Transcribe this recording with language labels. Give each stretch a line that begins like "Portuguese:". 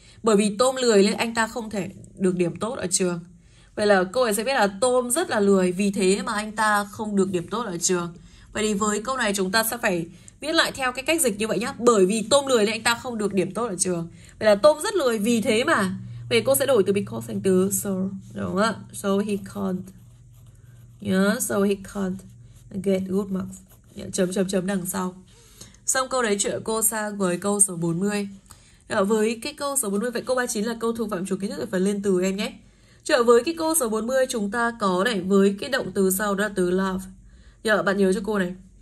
Vietnamese: Bởi vì Tôm lười nên anh ta không thể được điểm tốt ở trường. Vậy là cô ấy sẽ biết là Tôm rất là lười, vì thế mà anh ta không được điểm tốt ở trường. Vậy thì với câu này chúng ta sẽ phải viết lại theo cái cách dịch như vậy nhá. Bởi vì Tôm lười nên anh ta không được điểm tốt ở trường. Vậy là Tôm rất lười vì thế mà. Vậy cô sẽ đổi từ because thành từ so, đúng không ạ?
English: So he can't. Yeah, so he can't get good marks.
Vietnamese: Yeah, chấm chấm chấm đằng sau. Xong câu đấy chuyện cô sang với câu số 40. Với cái câu số 40, vậy câu 39 là câu thuộc phạm chủ kiến thức phần liên từ em nhé. Trở với cái câu số 40 chúng ta có này, với cái động từ sau đó là từ love. Bạn nhớ cho cô này.